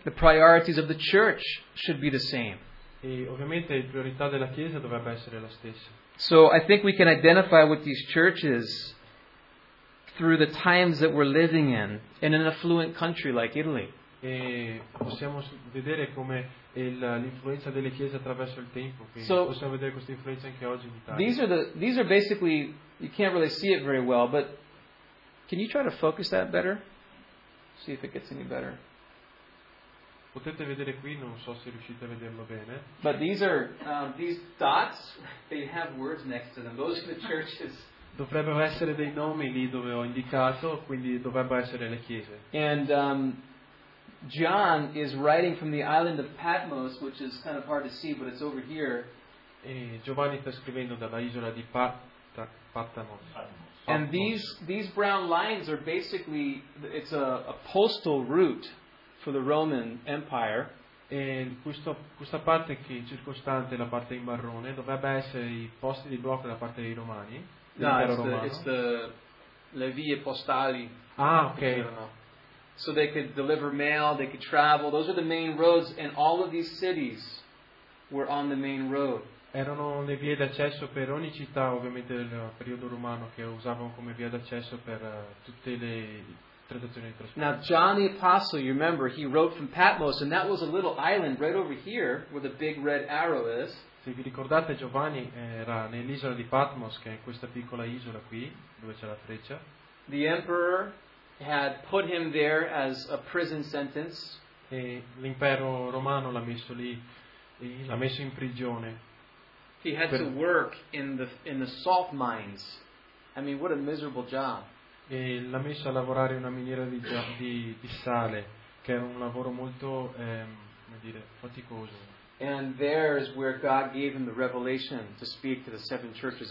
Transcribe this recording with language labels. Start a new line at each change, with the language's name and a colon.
English: The priorities of the church should be the same.
Italian: E ovviamente la priorità della chiesa dovrebbe essere la stessa.
English: So I think we can identify with these churches through the times that we're living in an affluent country like Italy.
Italian: E possiamo vedere come l'influenza delle chiese attraverso il tempo, che possiamo vedere questa influenza anche oggi in Italia.
English: These are basically, you can't really see it very well, but can you try to focus that better? See if it gets any better.
Italian: Potete vedere qui, non so se riuscite a vederlo bene.
English: But these are these dots, they have words next to them. Those are the churches.
Italian: Dovrebbero essere dei nomi lì dove ho indicato, quindi dovrebbe essere le chiese.
English: And John is writing from the island of Patmos, which is kind of hard to see, but it's over here.
Italian: E Giovanni sta scrivendo dalla isola di Patmos.
English: And these brown lines are basically, it's a postal route for the Roman Empire.
Italian: E questa parte che è circostante, la parte in marrone, dovrebbe essere i posti di blocco da parte dei romani.
English: No, it's the
Italian: le vie postali.
English: Ah, okay. So they could deliver mail, they could travel. Those are the main roads, and all of these cities were on the main road.
Italian: Erano le vie d'accesso per ogni città, ovviamente del periodo romano, che usavano come via d'accesso per tutte le transazioni di trasporto.
English: Now John the Apostle, you remember, he wrote from Patmos, and that was a little island right over here where the big red arrow is.
Italian: Se vi ricordate, Giovanni era nell'isola di Patmos, che è questa piccola isola qui dove c'è la freccia.
English: The emperor had put him there as a prison sentence.
Italian: E l'impero romano l'ha messo lì, l'ha messo in prigione.
English: He had to work in the salt mines. I mean, what a miserable job.
Italian: E l'ha messo a lavorare in una miniera di sale, che era un lavoro molto, come dire, faticoso.
English: And there is where God gave him the revelation to speak to the seven churches.